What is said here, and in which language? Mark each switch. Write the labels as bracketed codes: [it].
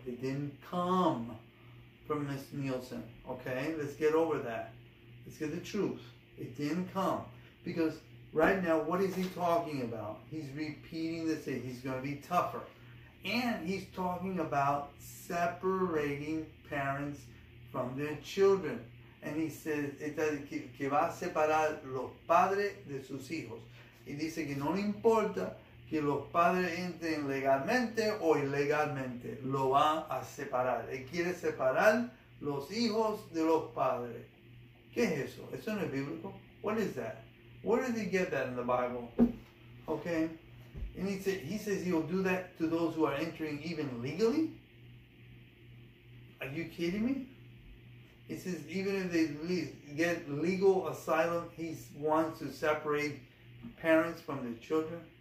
[en] It didn't come from Ms. Nielsen. Okay, let's get over that. Let's get the truth. It didn't come because right now, what is he talking about? He's repeating this. He's going to be tougher. And he's talking about separating parents from their children. And he says [es] que va a separar los padres de sus hijos. Y dice que no le importa que los padres entren legalmente o ilegalmente, lo va a separar. Él quiere separar los hijos de los padres. ¿Qué es eso? ¿Eso no es bíblico? [en] What is that? Where did he get that in the Bible? Okay. And he says he'll do that to those who are entering even legally? Are you kidding me? He says even if they get legal asylum, he wants to separate parents from their children.